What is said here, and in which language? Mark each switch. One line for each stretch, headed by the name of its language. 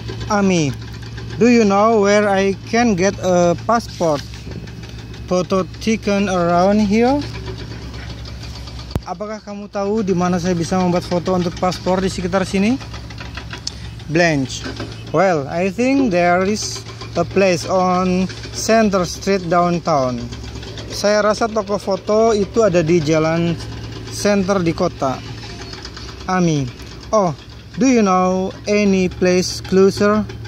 English: Ami, do you know where I can get a passport? Photo taken around here?
Indonesian: Apakah kamu tahu di mana saya bisa membuat foto untuk paspor di sekitar sini?
English: Blanche, well, I think there is a place on Center Street downtown.
Indonesian: Saya rasa toko foto itu ada di jalan center di kota.
English: Ami, oh, do you know any place closer?